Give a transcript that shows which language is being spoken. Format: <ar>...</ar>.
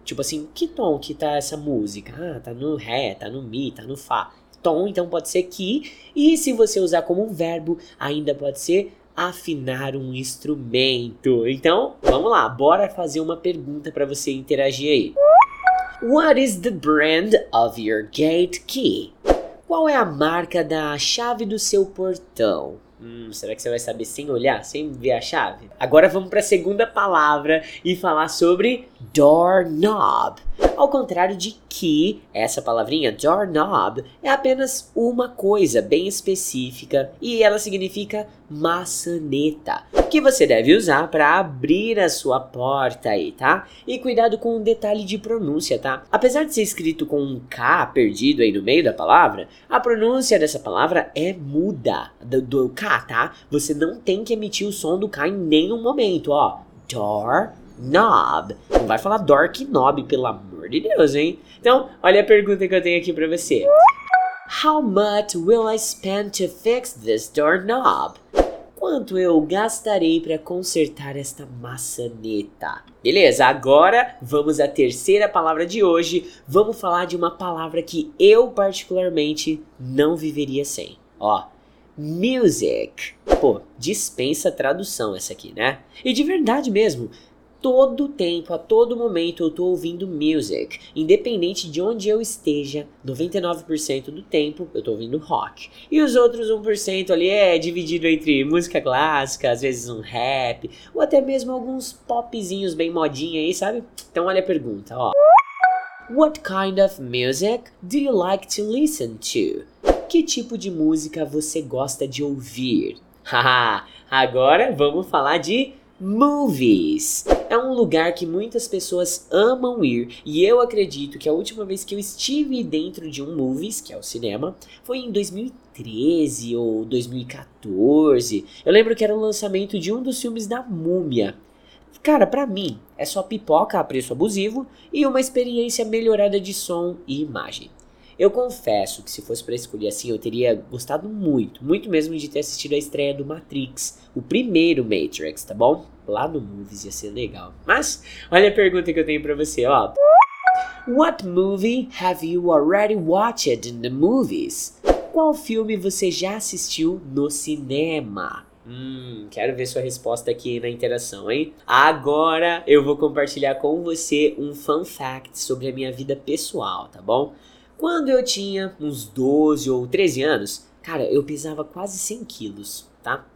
<pt>Tipo assim, que tom que tá essa música? Ah, tá no ré, tá no mi, tá no fá. Tom, então, pode ser key. E se você usar como um verbo, ainda pode ser afinar um instrumento. Então, vamos lá, bora fazer uma pergunta pra você interagir aí.</pt> <en>What is the brand of your gate key?</en> <pt>Qual é a marca da chave do seu portão? Será que você vai saber sem olhar, sem ver a chave? Agora vamos para a segunda palavra e falar sobre doorknob. Ao contrário de key, essa palavrinha, doorknob, é apenas uma coisa bem específica e ela significa maçaneta, que você deve usar para abrir a sua porta aí, tá? E cuidado com o detalhe de pronúncia, tá? Apesar de ser escrito com um K perdido aí no meio da palavra, a pronúncia dessa palavra é muda, do K, tá? Você não tem que emitir o som do K em nenhum momento, ó. Doorknob. Não vai falar door knob, pelo amor de Deus, hein? Então, olha a pergunta que eu tenho aqui pra você.</pt> <en>How much will I spend to fix this doorknob?</en> <pt>Quanto eu gastarei para consertar esta maçaneta? Beleza, agora vamos à terceira palavra de hoje. Vamos falar de uma palavra que eu particularmente não viveria sem. Ó, music. Pô, dispensa tradução essa aqui, né? E de verdade mesmo, todo tempo, a todo momento eu tô ouvindo music. Independente de onde eu esteja, 99% do tempo eu tô ouvindo rock. E os outros 1% ali é dividido entre música clássica, às vezes um rap, ou até mesmo alguns popzinhos bem modinha aí, sabe? Então olha a pergunta, ó.</pt> <en>What kind of music do you like to listen to?</en> <pt>Que tipo de música você gosta de ouvir? Haha, agora vamos falar de movies. É um lugar que muitas pessoas amam ir, e eu acredito que a última vez que eu estive dentro de um movies, que é o cinema, foi em 2013 ou 2014. Eu lembro que era o lançamento de um dos filmes da Múmia. Cara, pra mim, é só pipoca a preço abusivo e uma experiência melhorada de som e imagem. Eu confesso que se fosse pra escolher assim, eu teria gostado muito, muito mesmo de ter assistido a estreia do Matrix, o primeiro Matrix, tá bom? Lá no Movies ia ser legal. Mas, olha a pergunta que eu tenho pra você, ó.</pt> <en>What movie have you already watched in the movies?</en> <pt>Qual filme você já assistiu no cinema? Quero ver sua resposta aqui na interação, hein? Agora eu vou compartilhar com você um fun fact sobre a minha vida pessoal, tá bom? Quando eu tinha uns 12 ou 13 anos, cara, eu pesava quase 100 quilos, tá?</pt>